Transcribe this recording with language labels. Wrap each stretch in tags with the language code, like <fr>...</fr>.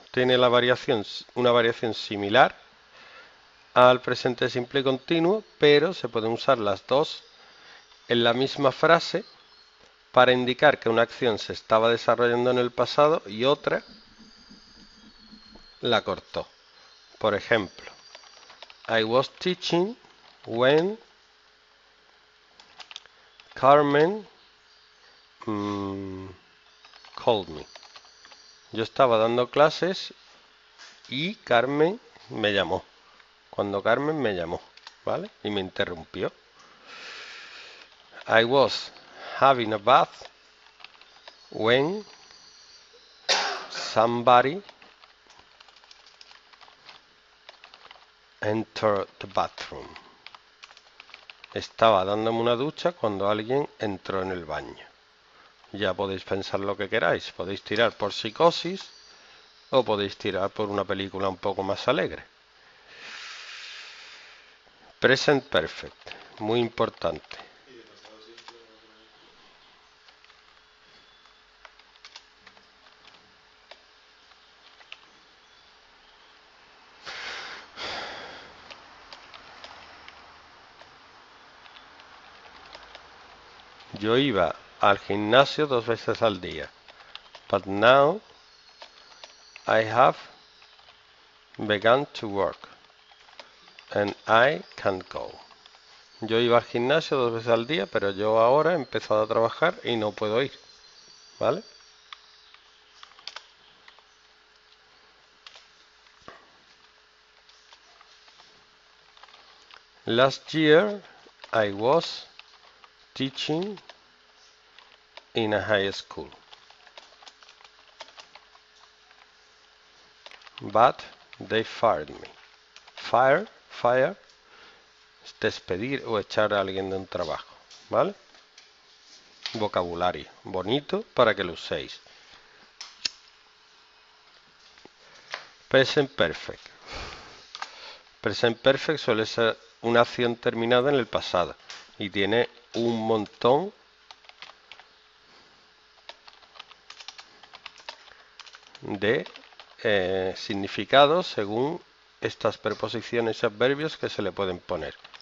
<es>Tiene la variación, una variación similar al presente simple y continuo, pero se pueden usar las dos en la misma frase para indicar que una acción se estaba desarrollando en el pasado y otra la cortó. Por ejemplo,</es> <en>I was teaching when Carmen called me.</en> <es>Yo estaba dando clases y Carmen me llamó. Cuando Carmen me llamó, ¿vale? Y me interrumpió.</es> <en>I was having a bath when somebody entered the bathroom.</en> <es>Estaba dándome una ducha cuando alguien entró en el baño. Ya podéis pensar lo que queráis. Podéis tirar por psicosis o podéis tirar por una película un poco más alegre. Present perfect. Muy importante. Yo iba al gimnasio 2 veces al día.</es> <en>But now I have begun to work and I can't go.</en> <es>Yo iba al gimnasio 2 veces al día, pero yo ahora he empezado a trabajar y no puedo ir. ¿Vale?</es> <en>Last year I was teaching in a high school, but they fired me.</en> <es>Fire es despedir o echar a alguien de un trabajo, ¿vale? Vocabulario bonito para que lo uséis. Present perfect. Present perfect suele ser una acción terminada en el pasado y tiene un montón de significados según estas preposiciones y adverbios que se le pueden poner.</es>